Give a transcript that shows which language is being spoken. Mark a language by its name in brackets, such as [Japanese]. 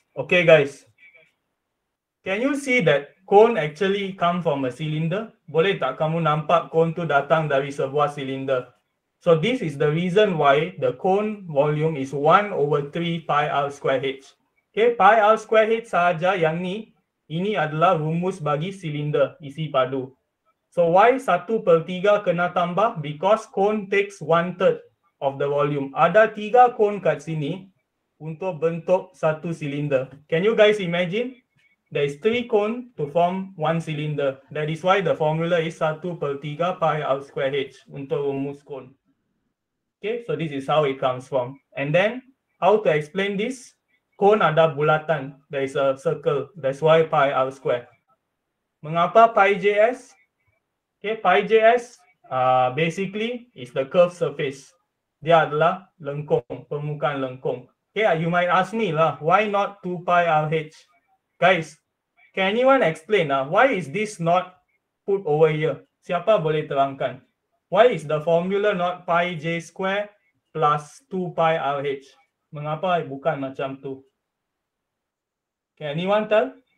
[English] Okay, guys, can you see that cone actually come from a cylinder? [Malay] Boleh tak kamu nampak cone tu datang dari sebuah cylinder? [English] So this is the reason why the cone volume is 1 over 3 pi r square h. [Malay] Okay, pi r square h sahaja yang ni, ini adalah rumus bagi silinder isi padu. [English] So why 1 per 3 [Malay] kena tambah? [English] Because cone takes 1 third of the volume. [Malay] Ada 3 cone kat sini untuk bentuk 1 silinder. [English] Can you guys imagine? There is 3 cone to form 1 silinder. That is why the formula is 1 per 3 pi r square h [Malay] untuk rumus cone. [English] Okay, so this is how it comes from. And then, how to explain this? [Malay] Cone ada bulatan. [English] There is a circle. That's why pi r square. [Malay] Mengapa [English] pi js? Okay, pi js basically is the curved surface. [Malay] Dia adalah lengkung, permukaan lengkung. [English] Okay, you might ask me lah, why not 2 pi r h? Guys, can anyone explain why is this not put over here? [Malay] Siapa boleh terangkan? [English] Why is the formula not pi j square plus 2 pi rh? [Malay] Mengapa bukan macam tu? [English] Can anyone tell?